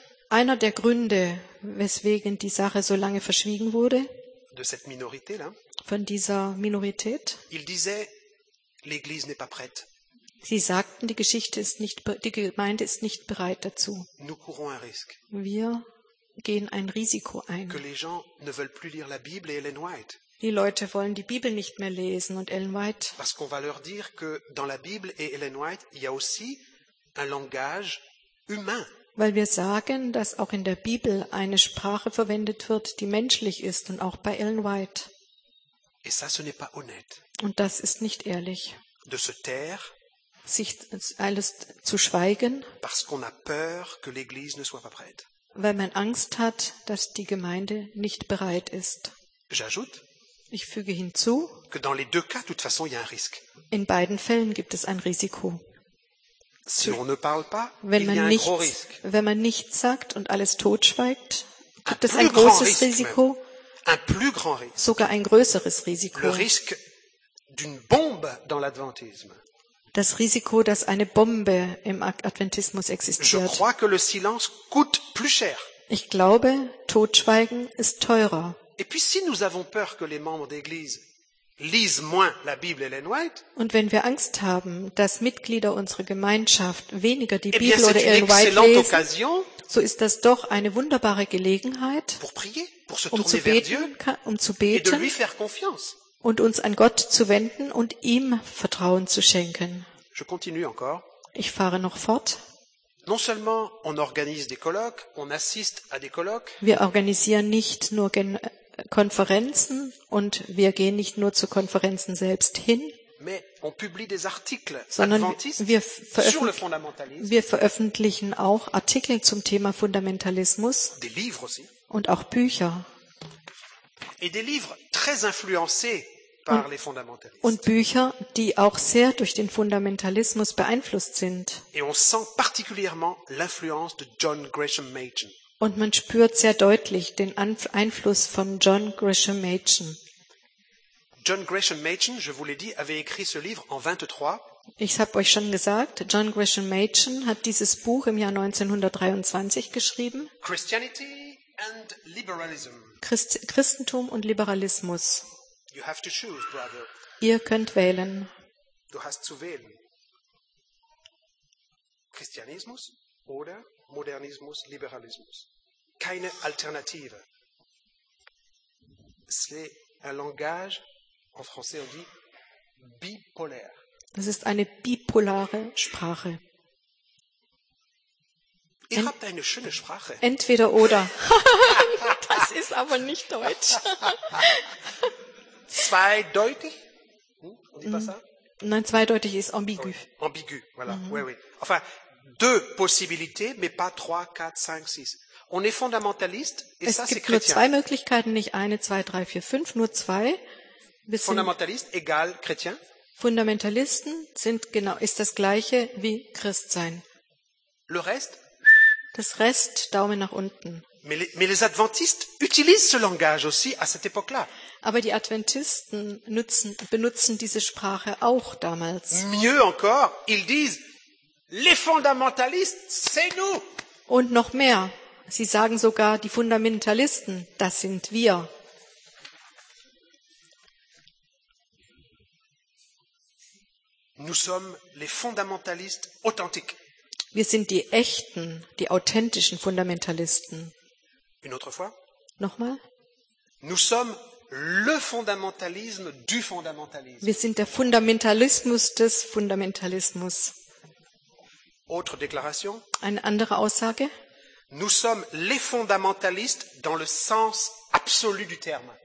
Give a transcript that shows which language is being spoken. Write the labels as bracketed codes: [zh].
[de] einer der Gründe, weswegen die Sache so lange verschwiegen wurde, [fr] de cette minorité là, [de] von dieser Minorität, [fr] il disait, l'Église n'est pas prête. [de] Sie sagten, die Gemeinde ist nicht bereit dazu. [fr] Nous courons un risque. [de] Wir gehen ein Risiko ein. [fr] Que les gens ne veulent plus lire la Bible et Ellen White. [de] Die Leute wollen die Bibel nicht mehr lesen und Ellen White. [fr] Parce qu'on va leur dire que dans la Bible et Ellen White, il y a aussi un langage humain. [de] Weil wir sagen, dass auch in der Bibel eine Sprache verwendet wird, die menschlich ist und auch bei Ellen White. [fr] Et ça, ce n'est pas honnête. [de] Und das ist nicht ehrlich. [fr] De se taire, [de] sich alles zu schweigen, [fr] parce qu'on a peur que l'Église ne soit pas prête. [de] Weil man Angst hat, dass die Gemeinde nicht bereit ist. [fr] J'ajoute, [de] ich füge hinzu, [fr] que dans les deux cas, de toute façon, il y a un risque. [de] In beiden Fällen gibt es ein Risiko. [fr] Si on ne parle pas, [de] wenn man nichts, [fr] gros risque. [de] Wenn man nichts sagt und alles totschweigt, gibt es ein großes Risiko. [fr] Un plus grand risque. [de] Sogar ein größeres Risiko. [fr] Le risque d'une bombe dans l'adventisme. [de] Das Risiko, dass eine Bombe im Adventismus existiert. [fr] Je crois que le silence coûte plus cher. [de] Ich glaube, Totschweigen ist teurer. [fr] Et puis si nous avons peur que les membres d'église lisent moins la Bible Ellen White, [de] und wenn wir Angst haben, dass Mitglieder unserer Gemeinschaft weniger die Bibel [fr] bien, [de] oder Ellen White lesen, [fr] occasion, [de] so ist das doch eine wunderbare Gelegenheit, [fr] pour prier, pour se tourner vers Dieu, [de] um zu beten [fr] et de lui faire confiance. [de] Und uns an Gott zu wenden und ihm Vertrauen zu schenken. [fr] Je continue encore. [de] Ich fahre noch fort. [fr] Non seulement on organise des colloques, on assiste à des colloques. [de] Wir organisieren nicht nur Konferenzen und wir gehen nicht nur zu Konferenzen selbst hin, [fr] mais on publie des articles [de] sondern wir veröffentlichen auch Artikel zum Thema Fundamentalismus, [fr] des livres aussi, [de] und auch Bücher. [fr] Et des livres très influencés par les fundamentalistes. [de] Und Bücher, die auch sehr durch den Fundamentalismus beeinflusst sind. [fr] Et on sent particulièrement l'influence de John Gresham Machen. [de] Und man spürt sehr deutlich den Einfluss von John Gresham Machen. [fr] John Gresham Machen, je vous l'ai dit, avait écrit ce livre en 23. [de] Ich habe euch schon gesagt, John Gresham Machen hat dieses Buch im Jahr 1923 geschrieben. [en] Christianity and Liberalism. [de] Christentum und Liberalismus. [en] You have to choose, brother. [de] Ihr könnt wählen. Du hast zu wählen. Christianismus oder Modernismus, Liberalismus. Keine Alternative. [fr] C'est un langage, en français on dit, bipolaire. [de] Das ist eine bipolare Sprache. Ihr habt eine schöne Sprache. Entweder oder. Das ist aber nicht deutsch. [fr] Zweideutig? On dit pas ça? [de] Nein, zweideutig ist ambigu. [fr] Oh, ambigu, voilà. Mm-hmm. Oui, oui. Enfin, deux possibilités, mais pas trois, quatre, cinq, six. On est fundamentaliste et [de] es [fr] ça, c'est chrétien. [de] Es gibt nur zwei Möglichkeiten, nicht eine, zwei, drei, vier, fünf, nur zwei. Wir fundamentaliste sind [fr] égal chrétien? [de] Fundamentalisten sind genau, ist das gleiche wie Christsein. [fr] Le reste? [de] Das Rest, Daumen nach unten. [fr] Mais les Adventistes utilisent ce langage aussi à cette époque-là. [de] Aber die Adventisten benutzen diese Sprache auch damals. [fr] Mieux encore, ils disent les fundamentalistes, c'est nous. [de] Und noch mehr, sie sagen sogar die Fundamentalisten, das sind wir. [fr] Nous sommes les fundamentalistes authentiques. [de] Wir sind die echten, die authentischen Fundamentalisten. [fr] Une autre fois? [de] Nochmal? [fr] Nous sommes le fundamentalisme du fundamentalisme. [de] Wir sind der Fundamentalismus des Fundamentalismus. [fr] Autre déclaration? [de] Eine andere Aussage? [fr] Nous sommes les fundamentalistes dans le sens absolu du terme.